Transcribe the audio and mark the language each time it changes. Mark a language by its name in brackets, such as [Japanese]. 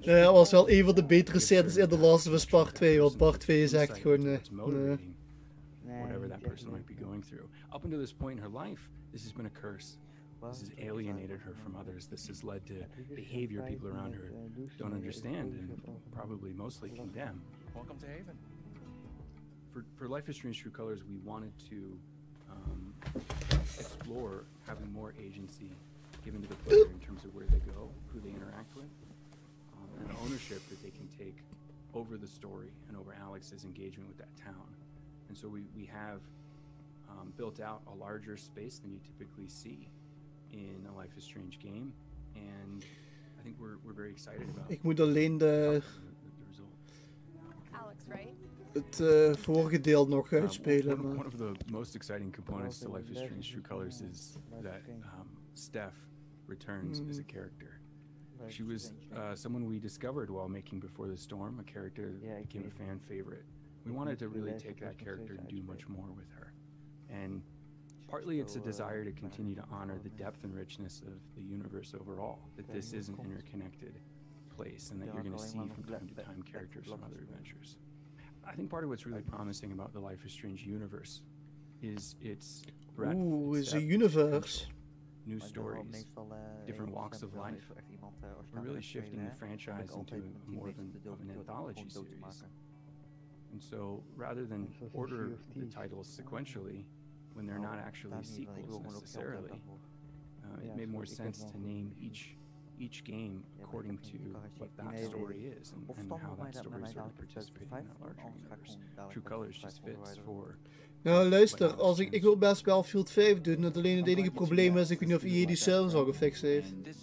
[Dutch] Dat was wel een van de betere scènes in The Last of Us Part 2, want Part 2 is echt gewoon. [English] Whatever that person might be going through. Up until this point in her life, this has been a curse. This has alienated her from others. This has led to behavior people around her don't understand and probably mostly condemn. Welcome to Haven. For Life is Strange True Colors, we wanted to explore having more agency given to the player in terms of where they go, who they interact with, and ownership that they can take over the story and over Alex's engagement with that town. And so we have built out a larger space than you typically see in a Life is Strange game, and I think we're very excited about [Dutch] it. Ik moet alleen de [English] Alex, right? [Dutch] Het vorige deel nog uitspelen. [English] One of the most exciting components to Life is Strange True Colors is that Steph returns as a character. She was someone we discovered while making Before the Storm, a character that became a fan favorite. We wanted to really take that character and do much more with her. And partly it's a desire to continue to honor the depth and richness of the universe overall, that this is an interconnected place and that you're going to see from time to time characters from other adventures. I think part of what's really promising about the Life is Strange universe is its breadth. Ooh, is a universe. New stories, different walks of life. We're really shifting the franchise into more of an anthology series. And so rather than order the titles sequentially, when they're not actually sequels necessarily, it made more sense to name each game according to what that story is and how that story is really participating in that larger universe. True Colors just fits for. [Dutch] Nou luister, als ik wil best Battlefield 5 doen, dat alleen het enige probleem is, ik weet niet of EA die servers al gefixt heeft.